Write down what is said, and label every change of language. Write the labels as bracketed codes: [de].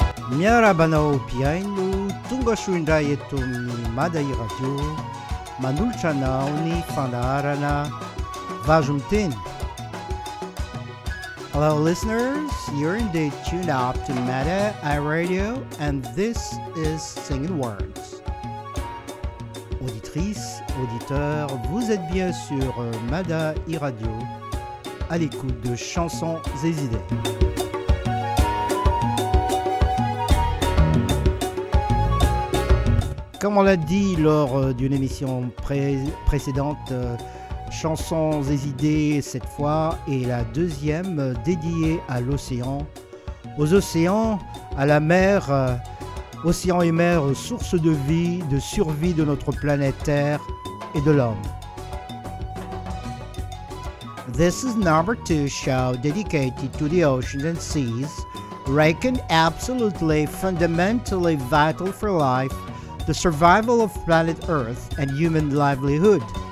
[mg] miarabanao mpiaino tonga soa indray eto amin'ny Mada Radio manolotra anao ny fandaharana vazo miteny. [en] Hello listeners, you're in the tune up to Mada iRadio and this is Singing Words. [fr] Auditrice, auditeur, vous êtes bien sur Mada iRadio à l'écoute de chansons et idées. Comme on l'a dit lors d'une émission précédente, chansons et idées cette fois est la deuxième dédiée à l'océan, aux océans, à la mer, océan et mer, source de vie, de survie de notre planète Terre et de l'homme. [en] This is number two show dedicated to the oceans and seas, reckoned absolutely, fundamentally vital for life, the survival of planet Earth and human livelihood.